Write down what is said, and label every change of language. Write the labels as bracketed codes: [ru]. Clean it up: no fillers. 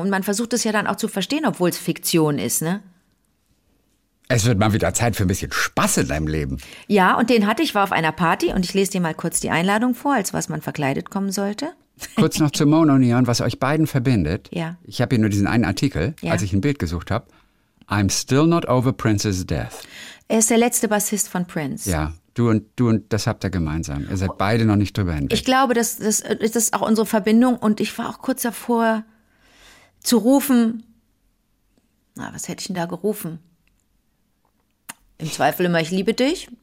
[de] Und man versucht es ja dann auch zu verstehen, obwohl es Fiktion ist, ne? Es wird mal wieder Zeit für ein bisschen Spaß in deinem Leben. Ja, und den hatte ich, war auf einer Party. Und ich lese dir mal kurz die Einladung vor, als was man verkleidet kommen sollte. Kurz noch zu Mono Neon, was euch beiden verbindet. Ja. Ich habe hier nur diesen einen Artikel, als ich ein Bild gesucht habe. [en] I'm still not over Prince's death. [de] Er ist der letzte Bassist von Prince. Ja. Du und das habt ihr gemeinsam. Ihr seid beide noch nicht drüber hinweg. Ich glaube, das ist auch unsere Verbindung. Und ich war auch kurz davor zu rufen. Na, was hätte ich denn da gerufen? Im Zweifel immer, ich liebe dich.